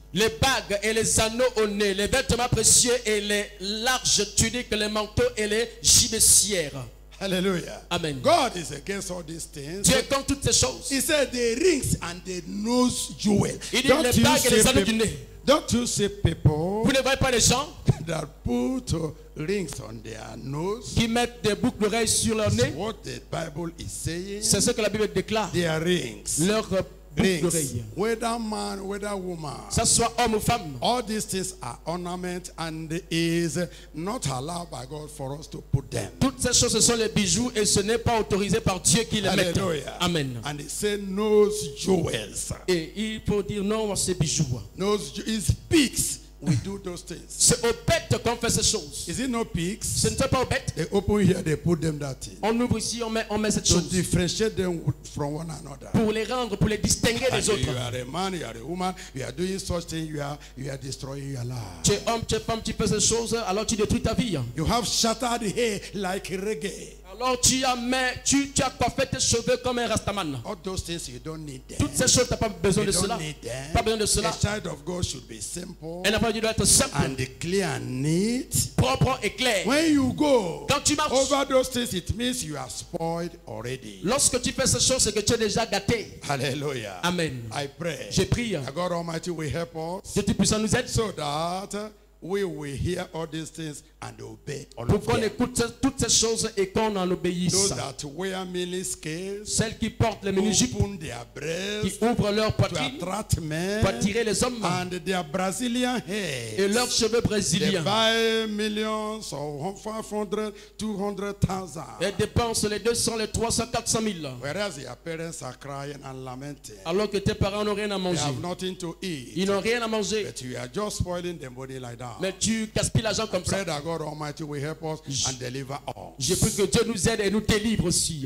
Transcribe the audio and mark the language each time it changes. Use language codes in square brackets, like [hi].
[fr] Les bagues et les anneaux au nez, les vêtements précieux et les larges tuniques, les manteaux et les gibecières. [en] Hallelujah. Amen. God is against all these things. [fr] Dieu est contre toutes ces choses. [en] He said the rings and the nose jewel. [fr] Il dit les bagues et les anneaux du nez. [en] Don't you see people? [fr] Vous ne voyez pas les gens? [en] That put rings on their nose. [fr] Qui mettent des boucles d'oreilles sur leur nez. [en] What the Bible is saying. [fr] C'est ce que la Bible déclare. [en] Their rings. [fr] Leurs boucles d'oreilles. [en] Whether man, whether woman. [fr] Ça soit homme ou femme. [en] All these things are ornament and is not allowed by God for us to put them. [fr] Toutes ces choses sont les bijoux et ce n'est pas autorisé par Dieu qui les met. [en] Amen. And it says nose jewels. [fr] Et il faut dire non à ces bijoux. [en] Nose is pigs. We do those things. [fr] C'est aux bêtes qu'on fait ces choses. [en] Is it not pigs? [fr] Ce n'est pas aux bêtes. [en] They open here, they put them that thing. [fr] On ouvre ici, on met cette chose. [en] To differentiate them from one another. [fr] Pour les rendre, pour les distinguer des autres. [en] You are a man, you are a woman. You are doing such things. You are destroying your life. [fr] Tu es homme, tu es femme, tu fais ces choses. Alors tu détruis ta vie. [en] You have shattered hair like reggae. [fr] Alors tu as coiffé tes cheveux comme un rastaman. [en] All those things you don't need them. [fr] Toutes ces choses t'as pas besoin [en] you [fr] de cela. Pas besoin de cela. [en] A child of God should be simple. [fr] Un enfant de Dieu doit être simple. [en] And clear and neat. [fr] Propre et clair. [en] When you go, [fr] quand tu marches, [en] over those things, it means you are spoiled already. [fr] Lorsque tu fais ces choses, c'est que tu es déjà gâté. [en] Hallelujah. Amen. I pray. [fr] Je prie. [en] That God Almighty will help us. [fr] Dieu Tout-Puissant nous aide. [en] So that we will hear all these things and obey all of them. [fr] Écoute toutes ces choses et qu'on en obéisse. [en] Those that wear mini skirts, [fr] celles qui portent les mini jupes, qui ouvrent leurs poitrines pour attirer les hommes, [en] and their Brazilian hair, [fr] et leurs cheveux brésiliens. [en] They buy millions or 500, 200,000. [fr] Elles dépensent les 200, les 300, 400 000. [en] Whereas their parents are crying and lamenting. [fr] Alors que tes parents n'ont rien à manger. [en] They have nothing to eat. [fr] Ils n'ont rien à manger. [en] But you are just spoiling the body like that. [fr] Mais tu gaspilles l'argent comme ça. [en] That God Almighty will help us and deliver us. [fr] Je prie que Dieu nous aide et nous délivre aussi.